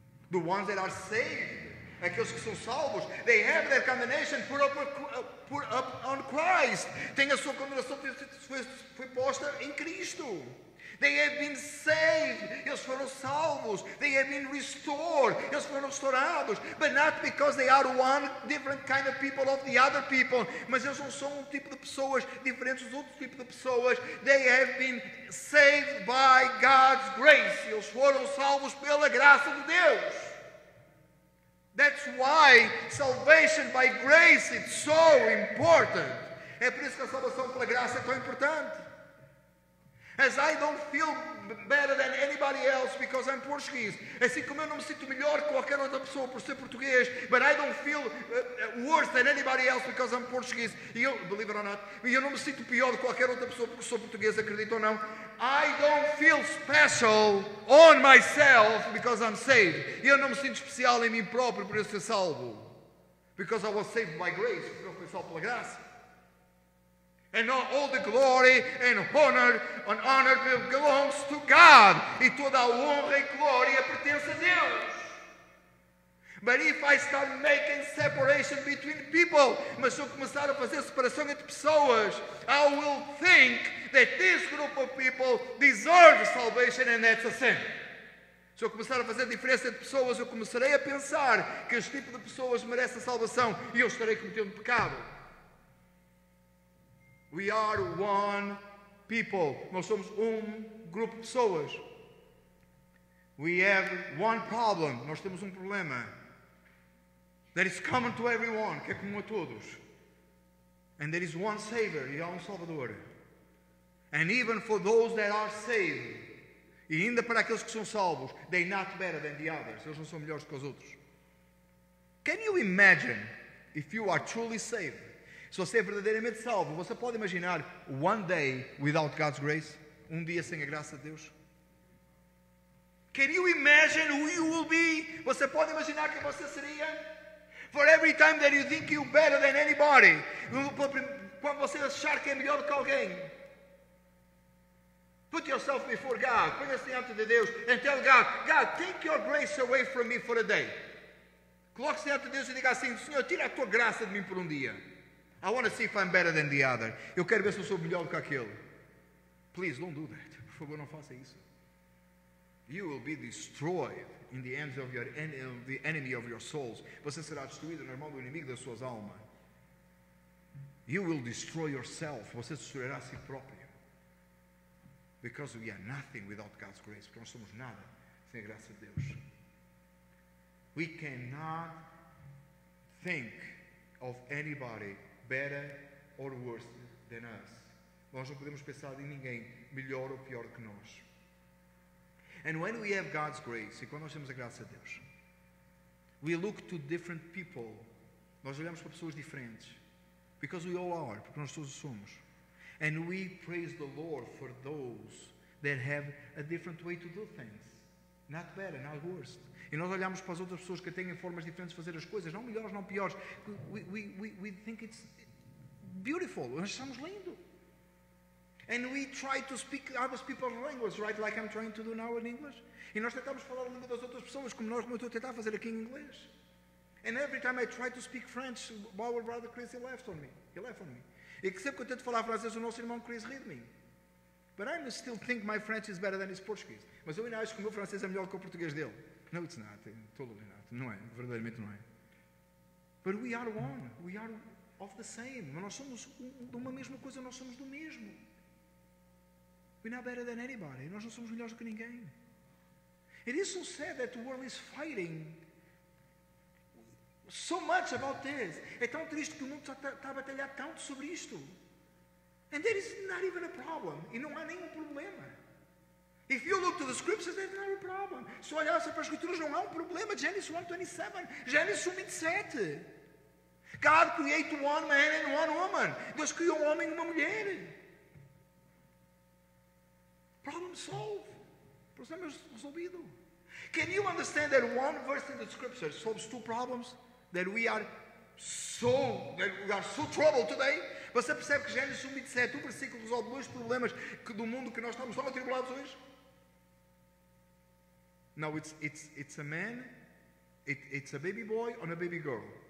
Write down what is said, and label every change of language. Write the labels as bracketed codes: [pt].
[en] The ones that are saved, [pt] aqueles que são salvos, [en] they have their condemnation put up on Christ. [pt] Tem a sua condenação foi posta em Cristo. [en] They have been saved. [pt] Eles foram salvos. [en] They have been restored. [pt] Eles foram restaurados. [en] But not because they are one different kind of people of the other people. [pt] Mas eles não são um tipo de pessoas diferentes dos outros tipos de pessoas. [en] They have been saved by God's grace. [pt] Eles foram salvos pela graça de Deus. [en] That's why salvation by grace is so important. [pt] É por isso que a salvação pela graça é tão importante. [en] As I don't feel better than anybody else because I'm Portuguese. [pt] Assim como eu não me sinto melhor que qualquer outra pessoa por ser português, [en] but I don't feel worse than anybody else because I'm Portuguese. You believe it or not, [pt] eu não me sinto pior que qualquer outra pessoa porque sou português, acredito ou não. [en] I don't feel special on myself because I'm saved. [pt] Eu não me sinto especial em mim próprio por eu ser salvo. [en] Because I was saved by grace, [pt] porque eu fui salvo pela graça. [en] And all the glory and honor belongs to God. [pt] E toda a honra e glória pertence a Deus. [en] But if I start making separation between people, [pt] mas se eu começar a fazer separação entre pessoas, [en] I will think that this group of people deserves salvation and that's a sin. [pt] Se eu começar a fazer diferença entre pessoas, eu começarei a pensar que este tipo de pessoas merece a salvação e eu estarei cometendo pecado. [en] We are one people. [pt] Nós somos grupo de pessoas. [en] We have one problem. [pt] Nós temos problema. [en] That is common to everyone. [pt] Que é comum a todos. [en] And there is one Savior. [pt] E há Salvador. [en] And even for those that are saved. [pt] E ainda para aqueles que são salvos. [en] They are not better than the others. [pt] Eles não são melhores que os outros. [en] Can you imagine if you are truly saved? [pt] Se você é verdadeiramente salvo, você pode imaginar [en] one day without God's grace? [pt] Dia sem a graça de Deus? [en] Can you imagine who you will be? [pt] Você pode imaginar quem você seria? [en] For every time that you think you're better than anybody, [pt] quando você achar que é melhor do que alguém, [en] put yourself before God, [pt] ponha-se diante de Deus, [en] and tell God, God, take your grace away from me for a day. [pt] Coloque-se diante de Deus e diga assim, Senhor, tira a tua graça de mim por dia. [en] I want to see if I'm better than the other. [pt] Eu quero ver se eu sou melhor do que aquele. [en] Please, don't do that. [pt] Por favor, não faça isso. [en] You will be destroyed in the hands of the enemy of your souls. [pt] Você será destruído na mão do inimigo das suas almas. [en] You will destroy yourself. [pt] Você destruirá a si próprio. [en] Because we are nothing without God's grace. [pt] Porque nós somos nada sem a graça de Deus. [en] We cannot think of anybody better or worse than us. [pt] Nós não podemos pensar em ninguém melhor ou pior que nós. [en] And when we have God's grace, [pt] e quando nós temos a graça de Deus, [en] we look to different people. [pt] Nós olhamos para pessoas diferentes. [en] Because we all are, [pt] porque nós todos somos. [en] And we praise the Lord for those that have a different way to do things. Not better, not worse. [pt] E nós olhamos para as outras pessoas que têm formas diferentes de fazer as coisas, não melhores, não piores. [en] We think it's beautiful. [pt] Nós estamos lindo. [en] And we try to speak other people's language, right? Like I'm trying to do now in English. [pt] E nós tentamos falar a língua das outras pessoas, como eu estou a tentar fazer aqui em inglês. [en] And every time I try to speak French, my brother Chris, he laughed on me. [pt] E que sempre que eu tento falar francês, o nosso irmão Chris ri de mim. [en] But I still think my French is better than his Portuguese. [pt] Mas eu ainda acho que o meu francês é melhor que o português dele. [en] No, it's not. Totally not. [pt] Não é. Verdadeiramente não é. [en] But we are one. We are of the same. [pt] Mas nós somos de uma mesma coisa. Nós somos do mesmo. [en] We're not better than anybody. [pt] Nós não somos melhores do que ninguém. [en] It is so sad that the world is fighting so much about this. [pt] É tão triste que o mundo está a batalhar tanto sobre isto. And there is not even a problem. E não há nenhum problema. [en] If you look to the scriptures, there's not a problem. [pt] Se olhasse para as escrituras, não há um problema. [en] Genesis 1:27, Genesis 1:27. God created one man and one woman. [pt] Deus criou um homem e uma mulher. [en] Problem solved. [pt] Problema resolvido. [en] Can you understand that one verse in the scripture solves two problems that we are so, that we are so troubled today? [pt] Você percebe que Gênesis 1, 27, um versículo resolve dois problemas do mundo que nós estamos tão atribulados hoje? [en] Now it's a man, it's a baby boy and a baby girl.